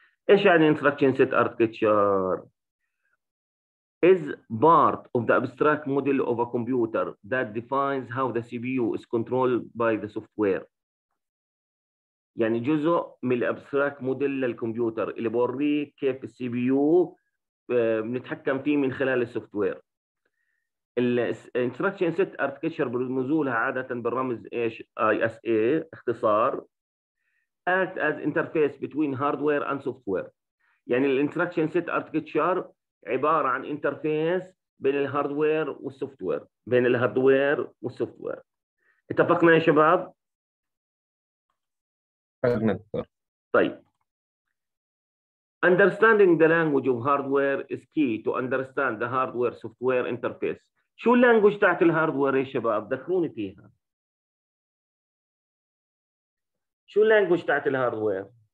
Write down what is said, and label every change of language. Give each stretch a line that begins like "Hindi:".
Arabic: ايش يعني انستراكشن سيت اركيتشر؟
English: is part of the abstract model of a computer that defines how the CPU is controlled by the software.
Arabic: يعني جزء من الابستراكت موديل للكمبيوتر اللي بوريك كيف السي بي يو بنتحكم فيه من خلال السوفت وير. الانستراكشن سيت اركتشر بنزولها عاده بالرمز ايش؟ اي اس اي اختصار.
English: act as interface between hardware and software.
Arabic: يعني الانستراكشن سيت اركتشر عبارة عن انترفيس بين الهاردوير والسوفتوير، بين الهاردوير والسوفتوير. اتفقنا يا شباب؟ اتفقنا دكتور.
English: طيب، understanding the language of hardware is key to understand the hardware software interface.
Arabic: شو اللانجوج تاعت الهاردوير يا شباب؟ ذكروني فيها. شو اللانجوج تاعت الهاردوير؟